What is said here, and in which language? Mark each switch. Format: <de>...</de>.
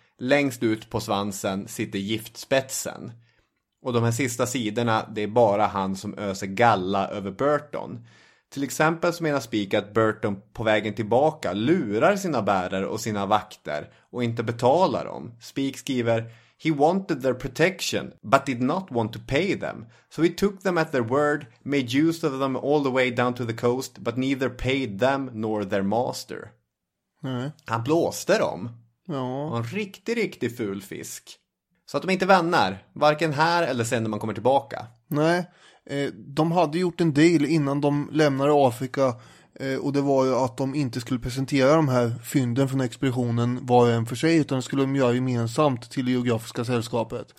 <sv>Längst ut på svansen sitter giftspetsen. Och de här sista sidorna, det är bara han som öser galla över Burton. Till exempel så menar Spik att Burton på vägen tillbaka lurar sina bärare och sina vakter och inte betalar dem. Spik skriver,</sv> <en>he wanted their protection but did not want to pay them. So he took them at their word, made use of them all the way down to the coast but neither paid them nor their master.</en> <sv>Nej. Han blåste dem. Ja. En riktig, riktig ful fisk. Så att de inte vänner, varken här eller sen när man kommer tillbaka. Nej. De hade gjort en deal innan de lämnade Afrika och det var ju att de inte skulle presentera de här fynden från expeditionen var och en för sig, utan det skulle de göra gemensamt till det geografiska sällskapet.</sv>